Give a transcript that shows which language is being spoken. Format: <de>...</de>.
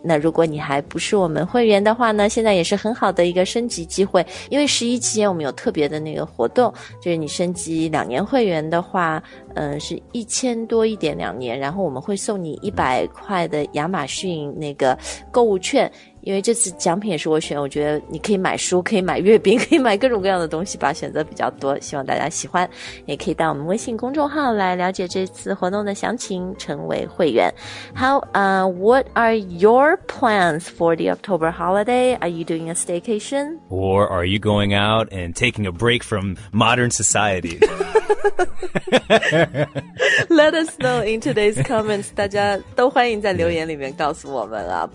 <zh>那如果你还不是我们会员的话呢，现在也是很好的一个升级机会，因为十一期间我们有特别的那个活动，就是你升级两年会员的话，是1000多一点两年，然后我们会送你100块的亚马逊那个购物券。因为这次奖品也是我选，我觉得你可以买书，可以买月饼，可以买各种各样的东西吧，选择比较多，希望大家喜欢，也可以到我们微信公众号来了解这次活动的详情，成为会员。</zh> <en>How, what are your plans for the October holiday? Are you doing a staycation? Or are you going out and taking a break from modern society? Let us know in today's comments.</en> <zh>大家都欢迎在留言里面告诉我们啊。</zh>